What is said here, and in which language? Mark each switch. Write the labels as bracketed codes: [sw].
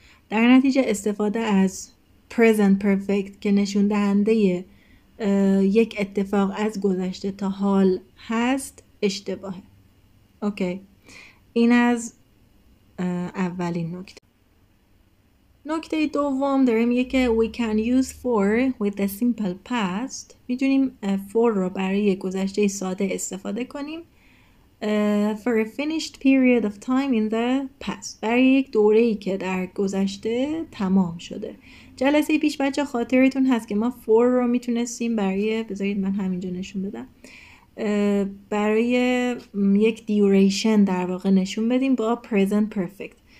[fa] در نتیجه استفاده از present perfect که نشون دهنده یک اتفاق از گذشته تا حال هست اشتباهه. اوکی. این از اولین نکته. نکته دوم داره میگه که [en] we can use for with the simple past. [fa] میتونیم for رو برای گذشته ساده استفاده کنیم. [en] For a finished period of time in the past. [fa] برای یک دوره‌ای که در گذشته تمام شده. جلسه پیش بچه خاطرتون هست که ما for رو میتونستیم برای بذارید من همینجا نشون بدم. برای یک duration در واقع نشون بدیم با present perfect.